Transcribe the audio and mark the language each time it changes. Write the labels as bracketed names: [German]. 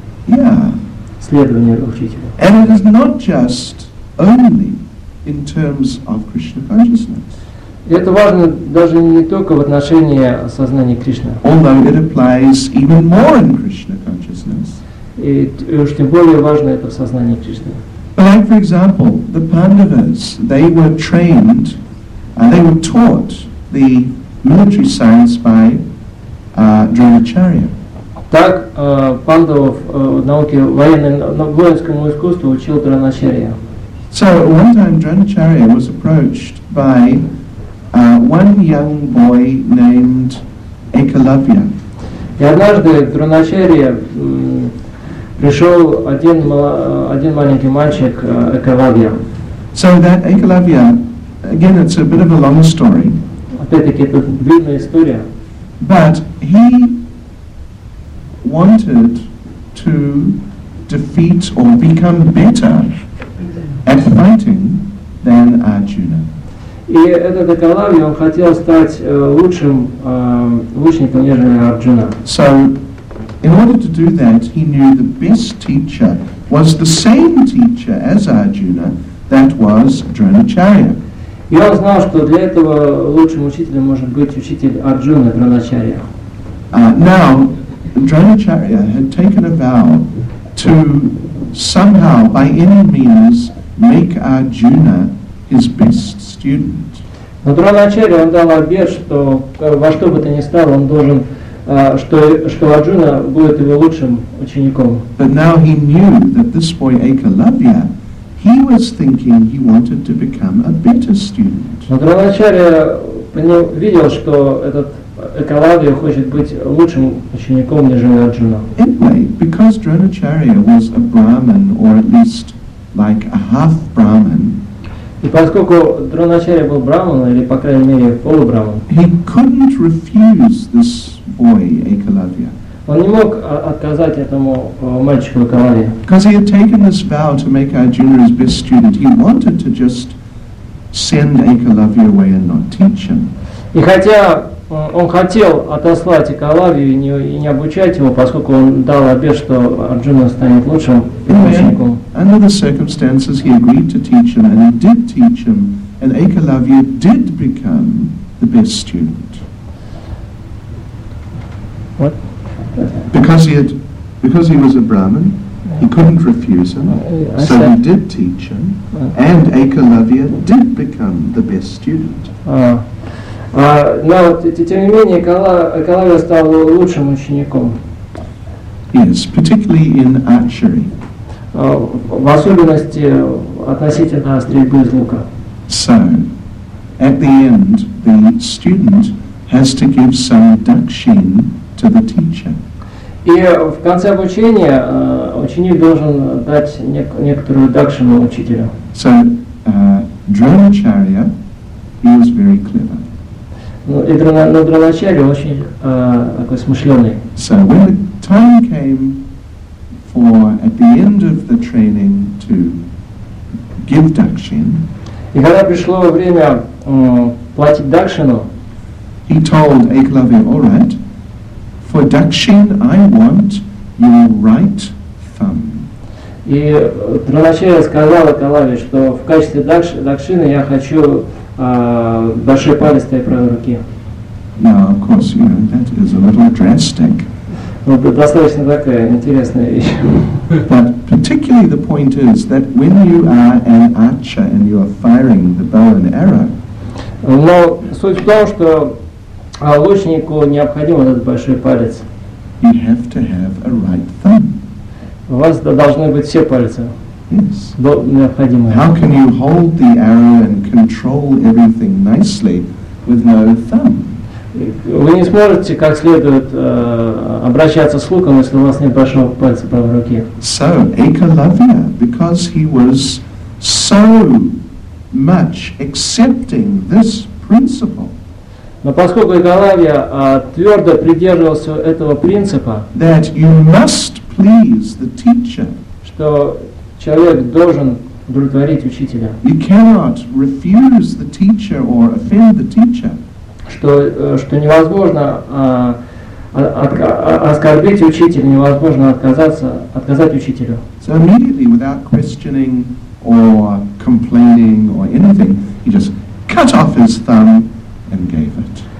[English] Yeah. [Russian] Следование учителя. [English] And it is not just only in terms of Krishna consciousness. [Russian] Это важно даже не только в отношении сознания Кришны. [English] Although it applies even more in Krishna consciousness. [Russian] И уж тем более важно это в сознании Кришны. [English] Like, for example, the Pandavas, they were trained, and they were taught the military science by Dronacharya. [Russian] Так, пандавов науки воинскому искусству учил Дроначарья. [English] So, one time Dronacharya was approached by one young boy named Ekalavya. [Russian] И однажды Дроначарья пришел один маленький мальчик Ekalavya. [English] So that Ekalavya, again, it's a bit of a long story. [Russian] Опять-таки это длинная история. [English] But he wanted to defeat or become better at fighting than Arjuna. [Russian] И этот Ekalavya, он хотел стать лучшим лучником, нежели Арджуна. [English] So, in order to do that, he knew the best teacher was the same teacher as Arjuna, that was Dronacharya. [Russian] И он знал, что для этого лучшим учителем может быть учитель Арджуна, Дроначарья. [English] Now, Dronacharya had taken a vow to somehow, by any means, make Arjuna his best student. [Russian] Но Дроначарья, он дал обет, что во что бы то ни стало, он должен, что Арджуна будет его лучшим учеником. [English] But now he knew that this boy Ekalavya, he was thinking he wanted to become a better student. [Russian] Но Дроначарья видел, что этот Ekalavya хочет быть лучшим учеником, нежели Арджуна. [English] Anyway, because Dronacharya was a Brahmin, or at least like a half Brahmin, [Russian] и поскольку Дроначарья был Брахман, или по крайней мере полубрахман, [English] he couldn't refuse this boy, Ekalavya. [Russian] Он не мог отказать этому мальчику Ekalavya. [English] Because he had taken this vow to make Arjuna his best student, he wanted to just send Ekalavya away and not teach him. [Russian] И хотя он хотел отослать Ekalavya и не обучать его, поскольку он дал обет, что Арджуна станет лучшим учеником. [English] Under the circumstances, he agreed to teach him, and he did teach him, and Ekalavya did become the best student. What? Because he was a Brahmin, he couldn't refuse him, so he did teach him, and Ekalavya did become the best student. [Russian] Но тем не менее Экалавья стал лучшим учеником. [English] Yes, particularly in archery. [Russian] В особенности относительно стрельбы из лука. [English] So, at the end, the student has to give some dakshin to the teacher. [Russian] И в конце обучения ученик должен дать некоторую дакшину учителю. [English] So, Дроначарья, he was very clever. [Russian] Но Дроначарья очень такой смышленый. [English] So, when the time came for, at the end of the training, to give dakshin, [Russian] и когда пришло время платить дакшину, [English] he told Ekalavya, all right, for dakshin I want your right thumb. [Russian] И Дроначарья сказал Ekalavya, что в качестве дакшины я хочу большой палец твоей правой руки. [English] Now, of course, you know, that is a little drastic. [Russian] Достаточно такая интересная вещь. [English] But particularly the point is that when you are an archer and you are firing the bow and arrow. [Russian] Но суть в том, что лучнику необходим этот большой палец. [English] You have to have a right thumb. [Russian] У вас должны быть все пальцы. [English] Yes. [Russian] Необходимые. [English] How can you hold the arrow and control everything nicely with no thumb? [Russian] Вы не сможете как следует обращаться с луком, если у вас нет большого пальца правой руки. [English] So, Ekalavya, because he was so much accepting this principle. [Russian] Но поскольку Ekalavya твердо придерживался этого принципа, [English] that you must please the teacher, [Russian] что человек должен удовлетворить учителя. [English] You cannot refuse the teacher or offend the teacher. [Russian] Что невозможно оскорбить учителя, невозможно отказать учителю. [English] So immediately, without questioning or complaining or anything, he just cut off his thumb and gave it.